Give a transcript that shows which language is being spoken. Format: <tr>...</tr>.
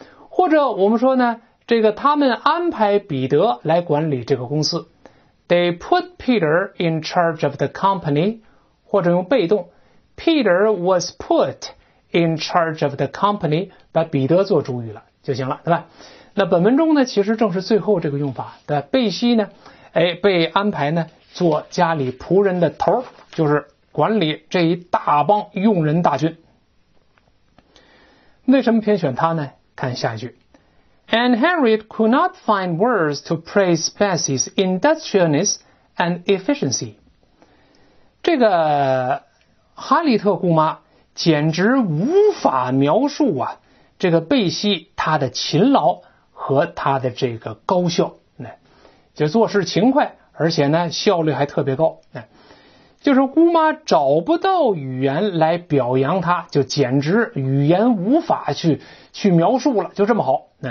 <zh>或者我们说呢，这个他们安排彼得来管理这个公司，</zh> <en>They put Peter in charge of the company，</en> <zh>或者用被动，</zh> <en>Peter was put in charge of the company，</en> <zh>把彼得做主语了就行了，对吧？那本文中呢其实正是最后这个用法的，贝西呢，哎，被安排呢做家里仆人的头，就是管理这一大帮佣人大军。为什么偏选他呢？看下一句。</zh> <en>And Harriet could not find words to praise Bessie's industriousness and efficiency.</en> <zh>这个哈利特姑妈简直无法描述啊，这个贝西她的勤劳和她的这个高效，就做事勤快，而且呢效率还特别高，就是姑妈找不到语言来表扬她，就简直语言无法去描述了，就这么好。</zh>